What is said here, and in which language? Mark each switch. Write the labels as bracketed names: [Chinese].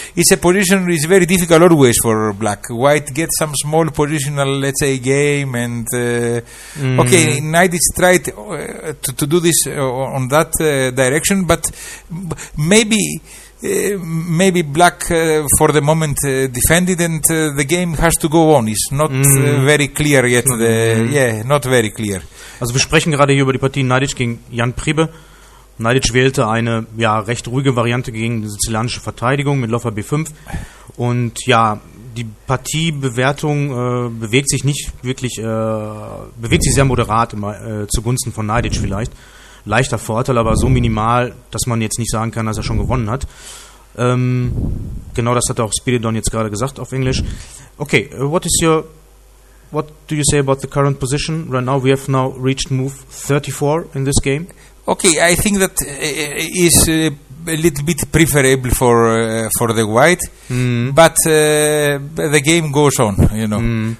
[English] It's a position is very difficult always for Black. White gets some small positional, let's say, game, and okay, Nidic tried to do this on that direction, but maybe. Maybe Black for the moment defended, and the game has to go on. It's not very clear yet. Not very clear. [German] Also, wir sprechen gerade hier über die Partie Nidic gegen Jan Pribe. Nidic wählte eine recht ruhige Variante gegen die sizilianische Verteidigung mit Läufer b5. Und ja, die Partiebewertung bewegt sich nicht wirklich, bewegt sich sehr moderat immer, zugunsten von Nidic vielleicht. Leichter Vorteil, aber so minimal, dass man jetzt nicht sagen kann, dass er schon gewonnen hat. Genau das hat auch Spiridon jetzt gerade gesagt auf Englisch. [English] Okay, what do you say about the current position? Right now we have now reached move 34 in this game. Okay, I think that is a little bit preferable for the white, but the game goes on, you know.